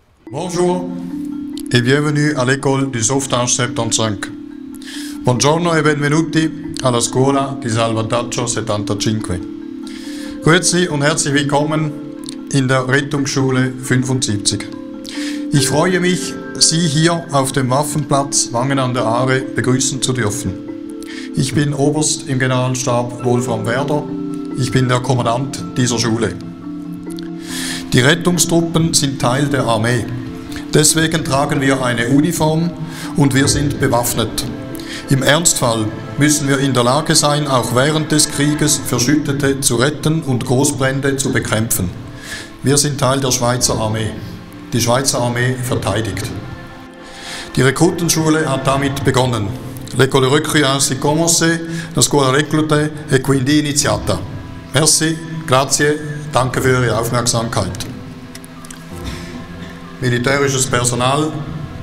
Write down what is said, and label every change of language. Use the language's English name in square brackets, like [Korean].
[French] Bonjour et bienvenue à l'école du Sauvetage 75. [Italian] Buongiorno e benvenuti alla scuola di Salvataggio 75. [German] Grüezi und herzlich willkommen in der Rettungsschule 75. Ich freue mich, Sie hier auf dem Waffenplatz Wangen an der Aare begrüßen zu dürfen. Ich bin Oberst im Generalstab Wolfram Werder. Ich bin der Kommandant dieser Schule. Die Rettungstruppen sind Teil der Armee. Deswegen tragen wir eine Uniform und wir sind bewaffnet. Im Ernstfall müssen wir in der Lage sein, auch während des Krieges Verschüttete zu retten und Großbrände zu bekämpfen. Wir sind Teil der Schweizer Armee. Die Schweizer Armee verteidigt. Die Rekrutenschule hat damit begonnen. [French] L'école de recrutement a commencé, [Italian] la scuola reclute è quindi iniziata. [German] Merci, grazie, danke für Ihre Aufmerksamkeit. Militärisches Personal